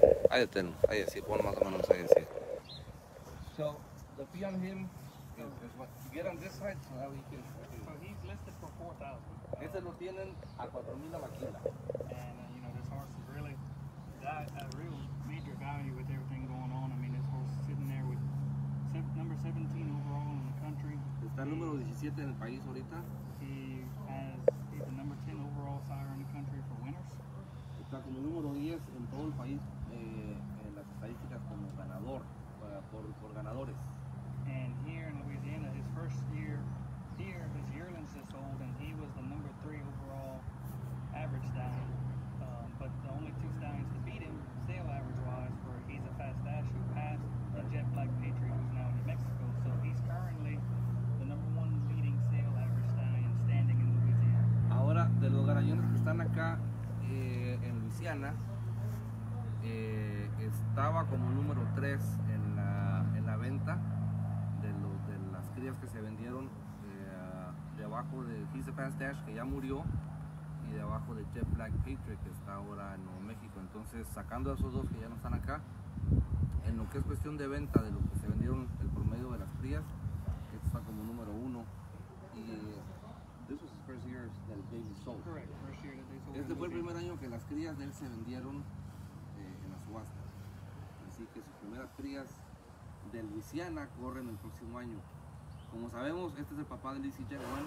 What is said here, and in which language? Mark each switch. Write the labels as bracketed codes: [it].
[es] Ahí está, pon más o menos ahí, sí. [en] So, the fee on him, get on this side so that we can. So he's listed for 4,000. [es] Ese lo tienen a 4,000 la maquila. [en] And you know, this horse is really got a real major value with everything going on. I mean, this horse is sitting there with number 17 overall in the country. [es] Está número 17 en el país ahorita. [en] He's the number 10 overall sire in the country for winners. [es] Está como número 10 en todo el país en las estadísticas como ganador, por ganadores. [en] And here in Louisiana, his first year here, his yearlings just sold, and he was the number 3 overall average stallion. But the only two stallions to beat him, sale average-wise, were He's a Fast Dash, who passed the Jet Black Patriot, who's now in New Mexico. So he's currently the number 1 leading sale average stallion standing in Louisiana. [es] Ahora, de los garañones que están acá en Louisiana, estaba como número 3 en la venta. De las crías que se vendieron debajo de He's a Fast Dash, que ya murió, y debajo de Jet Black Patriot, que está ahora en Nuevo México. Entonces, sacando a esos dos que ya no están acá, en lo que es cuestión de venta de lo que se vendieron, el promedio de las crías, esto está como número 1. Y [en] this was his first year that they sold. Correct. First year that they sold. [es] Este fue el primer año que las crías de él se vendieron en la subasta. Así que sus primeras crías de Luisiana corren el próximo año. Como sabemos, este es el papá de Lizzie Jack One.